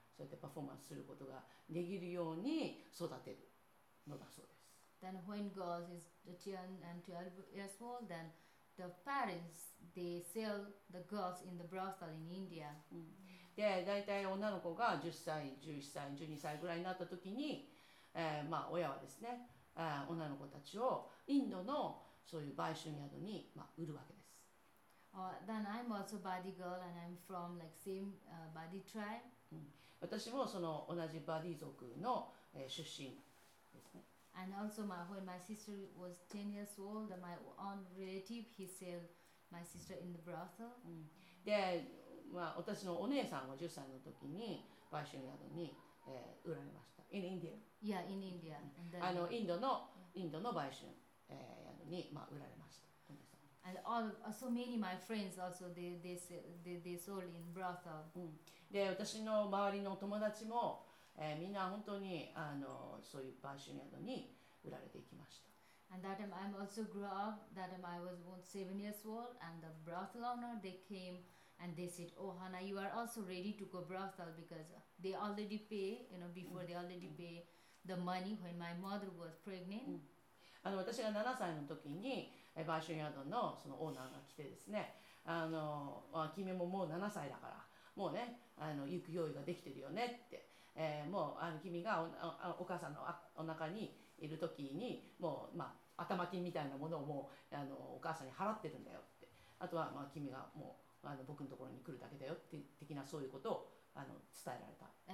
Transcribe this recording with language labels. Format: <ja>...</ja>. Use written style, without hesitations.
<ja>そうやってパフォーマンスすることができるように育てるのだそうです。</ja> <en>Then when girls is 10 and 12 years old, then the parents they sell the girls in the brothel in India.</en> <ja>で、大体女の子が10歳、11歳、12歳ぐらいになった時に、親はですね、女の子たちをインドのそういう売春宿に、売るわけです。</ja> <en>Then I'm also Badi girl and I'm from like same Badi tribe.</en> <ja>私もその同じバディ族の出身ですね。</ja> <en>And also my, when my sister was 10 years old, my own relative, he sold my sister in the brothel.</en> <ja>で、私のお姉さんは10歳の時に売春宿に、売られました。</ja> <en>In India? Yeah, in India.</en> <ja>インドの売春、宿に、売られました。</ja> <en>And all so many my friends also they sold in brothel.</en> <ja>で私の周りの友達も、みんな本当にそういう売春宿に売られていきました。</ja> <en>And that time I'm also grew up. That time I was about 7 years old, and the brothel owner they came and they said, "Oh, Hannah, you are also ready to go brothel because they already pay, you know, before they already pay the money when my mother was pregnant."</en> <ja>私が7歳の時に。売春宿のそのオーナーが来てですね、君ももう7歳だから、もうね、行く用意ができてるよねって、もう君が お母さんのお腹にいる時に、もう、頭金みたいなものをもうお母さんに払ってるんだよって、あとは君がもう僕のところに来るだけだよって的な、そういうことを伝えられた。</ja>